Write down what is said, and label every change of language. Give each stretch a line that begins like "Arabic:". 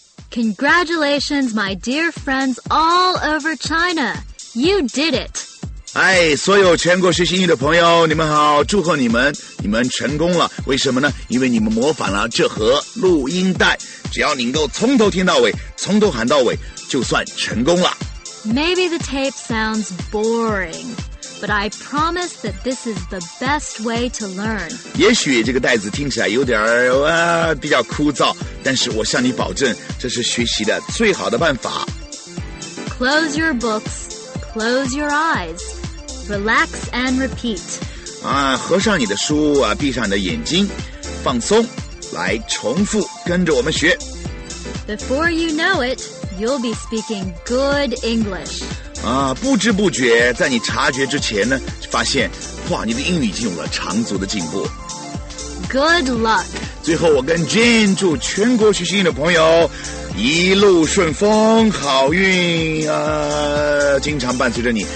English: Congratulations, my dear friends all over China. You did it!
Chinese: 哎，所有全国学习英语的朋友，你们好，祝贺你们，你们成功了。为什么呢？因为你们模仿了这盒录音带，只要你能够从头听到尾，从头喊到尾，就算成功了。
English: Maybe the tape sounds boring, but I promise that this is the best way to learn.
Chinese: 也许这个袋子听起来有点比较枯燥，但是我向你保证，这是学习的最好的办法。
English: Close your books. Close your eyes. Relax and repeat.
Chinese: 合上你的书啊，闭上你的眼睛，放松，来重复，跟着我们学。
English: Before you know it, you'll be speaking good English.
Chinese: 不知不觉，在你察觉之前呢，发现，哇，你的英语已经有了长足的进步。
English: Good luck.
Chinese: 最后，我跟 Jean 祝全国学习英语的朋友一路顺风，好运啊！经常伴随着你。